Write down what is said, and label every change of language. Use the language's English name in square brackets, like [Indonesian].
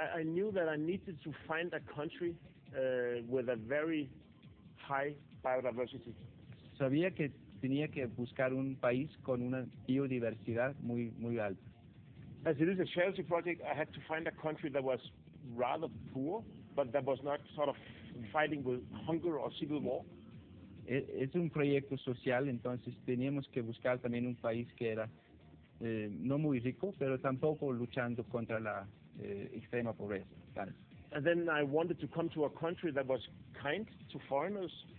[English] I knew that I needed to find a country with a very high biodiversity. [Spanish] Sabía que tenía que buscar un país con una biodiversidad muy muy alta. [English] As it is a charity project, I had to find a country that was rather poor, but that was not sort of fighting with hunger or civil war. [Spanish] Es un proyecto social, entonces teníamos que buscar también un país que era no muy rico, pero tampoco luchando contra la extrema pobreza. Claro. [English] And then I wanted to come to a country that was kind to foreigners.